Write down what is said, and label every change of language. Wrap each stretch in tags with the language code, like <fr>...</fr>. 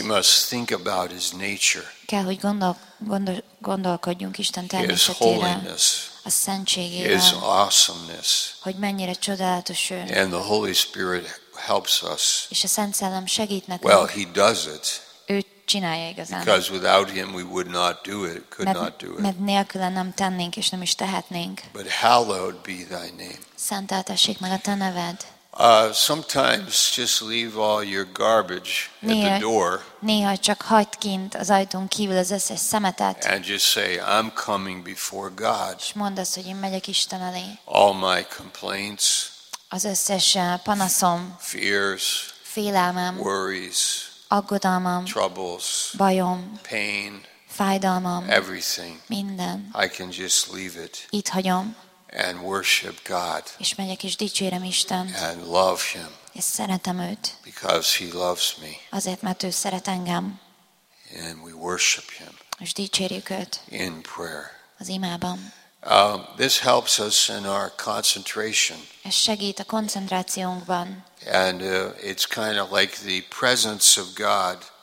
<en>We must think about his nature.</en> <hu>Kell, hogy gondolkodjunk Isten természetére.</hu> <en>His holiness.</en> <hu>A szentségére.</hu> <en>His awesomeness.</en> <hu>Hogy mennyire csodálatos ő.</hu> <en>And the Holy Spirit helps us.</en> <hu>És a Szent Szellem segít nekünk.</hu> <en>Well, he does it.</en> <hu>Ő csinálja igazán.</hu> <en>Because without him we would not do it, could not do it.</en> <hu>Mert nélküle nem tennénk és nem is tehetnénk.</hu> <en>But hallowed be thy name.</en> <hu>Szenteltessék meg a te neved.</hu> <en>Sometimes just leave all your garbage</en> <hu>néha,</hu> <en>at the door.</en> <hu>Néha csak hagyd kint az ajtón kívül az összes szemetet.</hu> <en>And just say, I'm coming before God.</en> <hu>És mondd azt, hogy én megyek Isten elé.</hu> <en>All my complaints.</en> <hu>Az összes panaszom.</hu> <en>Fears.</en> <hu>Félelmem.</hu> <en>Worries.</en> <hu>Aggodalmam.</hu> <en>Troubles.</en> <hu>Bajom.</hu> <en>Pain.</en> <hu>Fájdalmam.</hu> <en>Everything.</en> <hu>Minden.</hu> <en>I can just leave it.</en> <hu>Itt hagyom.</hu> <en>And worship God.</en> <hu>És megyek és dicsérem Istent.</hu> <en>And love him.</en> <hu>És szeretem őt.</hu> <en>Because he loves me.</en> <hu>Azért, mert ő szeret engem.</hu> <en>And we worship him.</en> <hu>És dicsérjük őt.</hu> <en>In prayer.</en> <hu>Az imában.</hu> <en>This helps us in our concentration.</en> <hu>Ez segít a koncentrációnkban.</hu> <en>And it's kind of like the presence of God.</en>